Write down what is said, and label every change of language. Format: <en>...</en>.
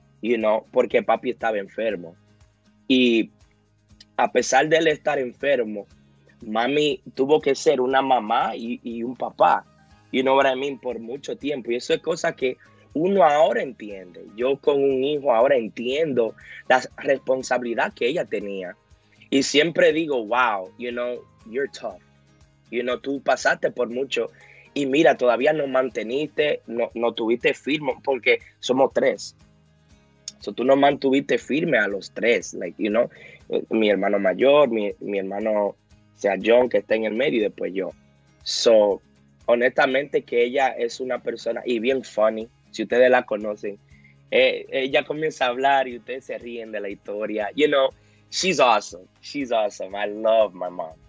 <es>You know, porque papi estaba enfermo. Y a pesar de él estar enfermo, mami tuvo que ser una mamá y un papá,</es> <en>you know what I mean,</en> <es>por mucho tiempo. Y eso es cosa que uno ahora entiende. Yo con un hijo ahora entiendo la responsabilidad que ella tenía. Y siempre digo, wow,</es> <en>you know, you're tough.</en> <es>You know, tú pasaste por mucho. Y mira, todavía nos manteniste, no tuviste firme, porque somos tres. So, tú nos mantuviste firme a los tres,</es> <en>like, you know,</en> <es>mi hermano mayor, mi hermano, o sea, John, que está en el medio, y después yo. So, honestamente que ella es una persona, y bien funny, si ustedes la conocen, ella comienza a hablar y ustedes se ríen de la historia,</es> <en>you know, she's awesome, I love my mom.</en>